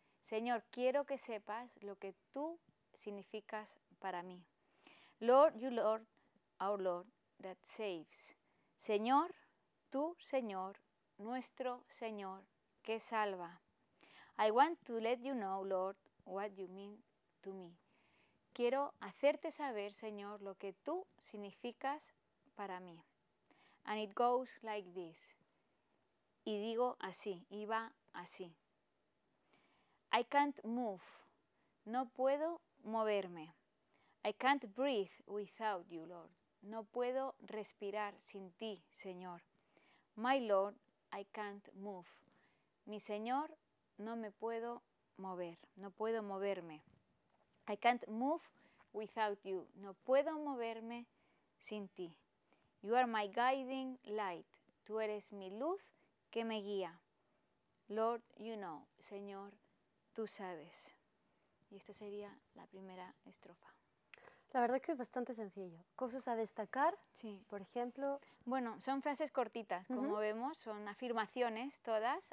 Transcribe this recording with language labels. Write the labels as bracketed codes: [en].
[es] Señor, quiero que sepas lo que tú significas para mí. [en] Lord, you Lord, our Lord, that saves. [es] Señor, tú, Señor, nuestro Señor, que salva. [en] I want to let you know, Lord, what you mean to me. [es] Quiero hacerte saber, Señor, lo que tú significas para mí. [en] And it goes like this. [es] Y digo así, y va así. [en] I can't move. [es] No puedo moverme. [en] I can't breathe without you, Lord. [es] No puedo respirar sin ti, Señor. [en] My Lord, I can't move. [es] Mi Señor, no me puedo mover. No puedo moverme. [en] I can't move without you. [es] No puedo moverme sin ti. [en] You are my guiding light. [es] Tú eres mi luz que me guía. [en] Lord, you know. [es] Señor, tú sabes. Y esta sería la primera estrofa. La verdad es que es bastante sencillo. Cosas a destacar, sí. Por ejemplo. Bueno, son frases cortitas, como vemos. Son afirmaciones todas.